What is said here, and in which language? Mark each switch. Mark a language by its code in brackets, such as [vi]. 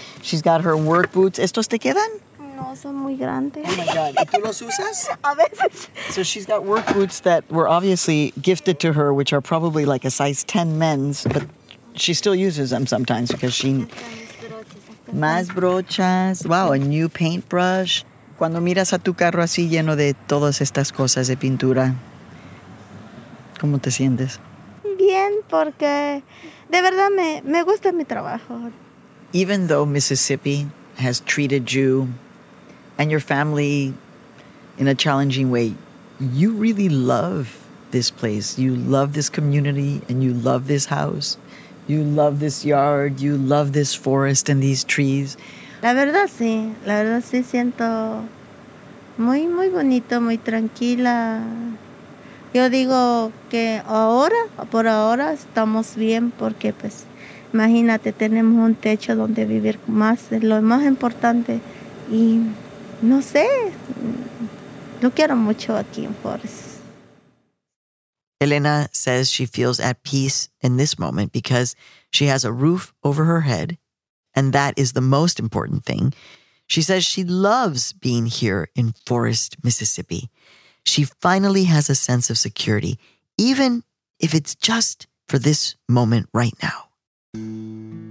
[en] She's got her work boots. [es] ¿Estos te quedan? No, son muy grandes. [en] Oh, my God. [es] ¿Y tú los usas? A veces. So she's got work boots that were obviously gifted to her, which are probably like a size 10 men's, but she still uses them sometimes because she... Más brochas. [en] Wow, a new paintbrush. [es] Cuando miras a tu carro así lleno de todas estas cosas de pintura... ¿Cómo te sientes? Bien, porque de verdad me gusta mi trabajo. [en] Even though Mississippi has treated you and your family in a challenging way, you really love this place. You love this community and you love this house. You love this yard. You love this forest and these trees. [es] La verdad sí siento muy, muy bonito, muy tranquila. Yo digo que ahora, por ahora, estamos bien porque, pues, imagínate, tenemos un techo donde vivir más, lo más importante. Y, no sé, lo quiero mucho aquí en Forest. [en] Elena says she feels at peace in this moment because she has a roof over her head, and that is the most important thing. She says she loves being here in Forest, Mississippi. She finally has a sense of security, even if it's just for this moment right now.